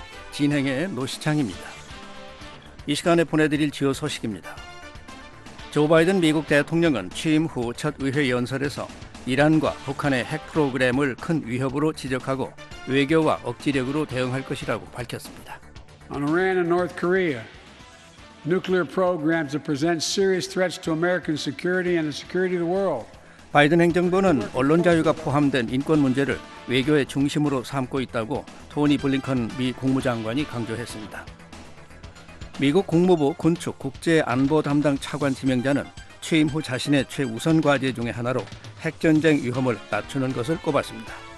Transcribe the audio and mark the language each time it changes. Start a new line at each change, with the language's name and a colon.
Korean: 진행의 노시창입니다. 이 시간에 보내드릴 주요 소식입니다. 조 바이든 미국 대통령은 취임 후 첫 의회 연설에서 이란과 북한의 핵 프로그램을 큰 위협으로 지적하고 외교와 억지력으로 대응할 것이라고 밝혔습니다.
English: On Iran and North Korea, nuclear programs that present serious threats to American security and the security of the world.
Korean: 바이든 행정부는 언론 자유가 포함된 인권 문제를 외교의 중심으로 삼고 있다고 토니 블링컨 미 국무장관이 강조했습니다. 미국 국무부 군축 국제안보 담당 차관 지명자는 취임 후 자신의 최우선 과제 중의 하나로 핵전쟁 위험을 낮추는 것을 꼽았습니다.